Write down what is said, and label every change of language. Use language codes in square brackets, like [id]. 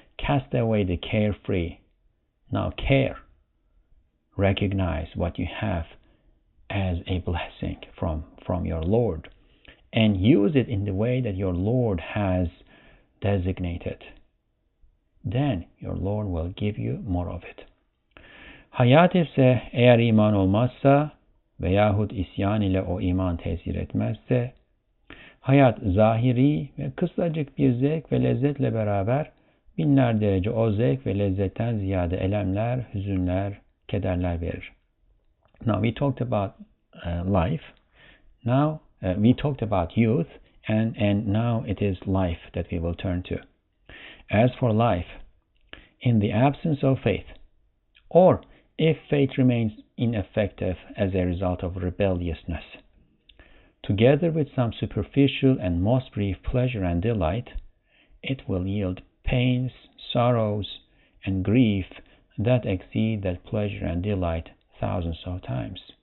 [en] Cast away the carefree. Now care. Recognize what you have as a blessing from your Lord, and use it in the way that your Lord has designated. Then your Lord will give you more of it. [tr] Hayat ise eğer iman olmazsa veyahut isyan ile o iman tesir etmezse, hayat zahiri ve kısacık bir zevk ve lezzetle beraber binler derece o zevk ve lezzetten ziyade elemler, hüzünler, kederler verir. [en] Now we talked about life. Now we talked about youth, and now it is life that we will turn to. As for life, in the absence of faith, or if faith remains ineffective as a result of rebelliousness, together with some superficial and most brief pleasure and delight, it will yield pains, sorrows, and grief that exceed that pleasure and delight thousands of times.